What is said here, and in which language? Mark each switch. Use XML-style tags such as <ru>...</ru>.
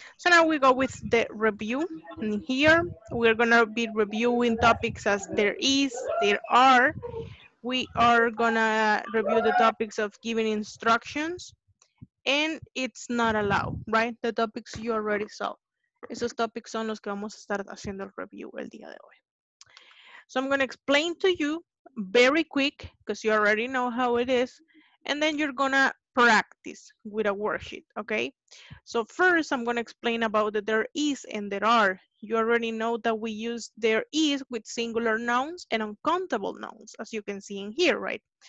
<en>So now we go with the review. And here we're gonna be reviewing topics as there is, there are. We are gonna review the topics of giving instructions, and it's not allowed, right? The topics you already saw.</en> <es>Esos topics son los que vamos a estar haciendo el review el día de hoy.</es> <en>So I'm going to explain to you very quick, because you already know how it is, and then you're going to practice with a worksheet, okay? So first, I'm going to explain about the there is and there are. You already know that we use there is with singular nouns and uncountable nouns, as you can see in here, right?</en>